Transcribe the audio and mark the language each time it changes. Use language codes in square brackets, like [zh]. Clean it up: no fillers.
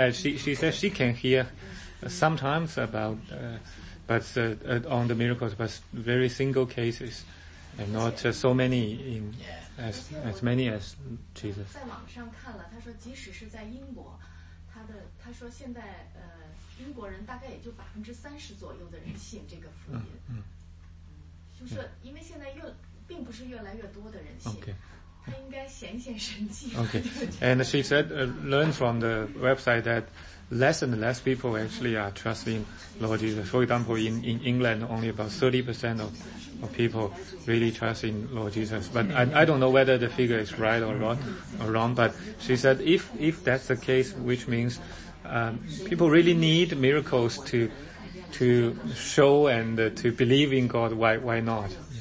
[en] She says she can hear sometimes about, but on the miracles, but very single cases, and not so many in, as many as Jesus. [zh] 在网上看了，他说即使是在英国他说现在英国人大概也就30%左右的人信这个福音，就是因为现在并不是越来越多的人信。 [en] Okay. Okay. And she said, learn from the website that less and less people actually are trusting Lord Jesus. For example, in England, only about 30% of people really trust in Lord Jesus. But I don't know whether the figure is right or wrong, but she said if that's the case, which means, people really need miracles to show and to believe in God, why not?